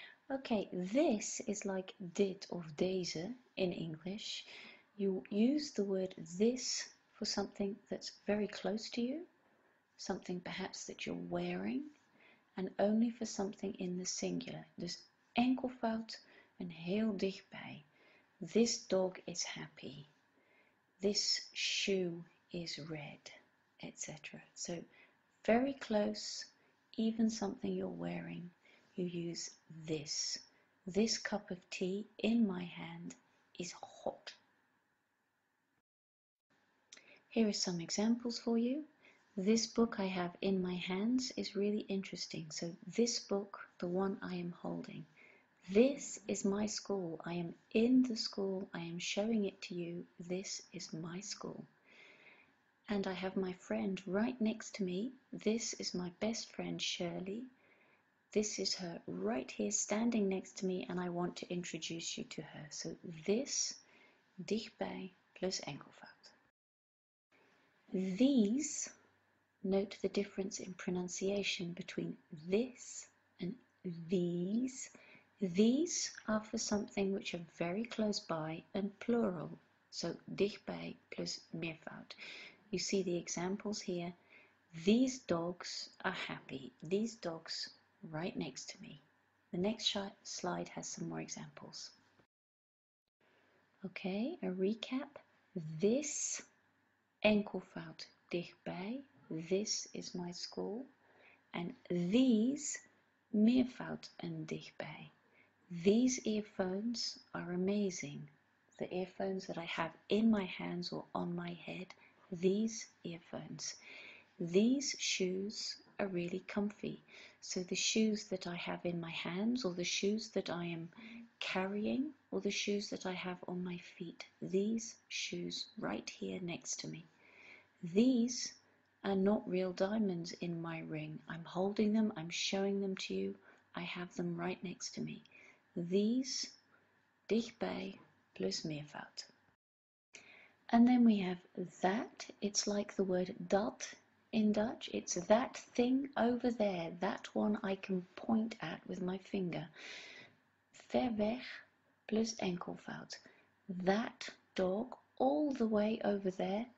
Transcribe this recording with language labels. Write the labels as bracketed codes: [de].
[en] Okay, this is like dit or deze in English. You use the word this for something that's very close to you, something perhaps that you're wearing, and only for something in the singular. [nl] Dus enkelvoud and heel dichtbij. [en] This dog is happy. This shoe is red, etc. So very close, even something you're wearing, you use this. This cup of tea in my hand is hot. Here are some examples for you. This book I have in my hands is really interesting. So this book, the one I am holding. This is my school. I am in the school. I am showing it to you. This is my school. And I have my friend right next to me. This is my best friend, Shirley. This is her right here standing next to me, and I want to introduce you to her. So this, [nl] dichtbij plus enkelvoud. [en] These, note the difference in pronunciation between this and these. These are for something which are very close by and plural. [nl] So dichtbij plus meervoud. [en] You see the examples here. These dogs are happy. These dogs right next to me. The next slide has some more examples. Okay, a recap. This. [nl] Enkelvoud dichtbij, [en] this is my school. And these, [nl] meervoud en dichtbij. [en] These earphones are amazing. The earphones that I have in my hands or on my head, these earphones. These shoes are really comfy. So the shoes that I have in my hands, or the shoes that I am carrying, or the shoes that I have on my feet, these shoes right here next to me. These are not real diamonds in my ring. I'm holding them, I'm showing them to you. I have them right next to me. [nl] These, dichtbij plus meervoud. [en] And then we have that. It's like the word dat in Dutch. It's that thing over there, that one I can point at with my finger. [nl] Ver weg plus enkelvoud. [en] That dog all the way over there.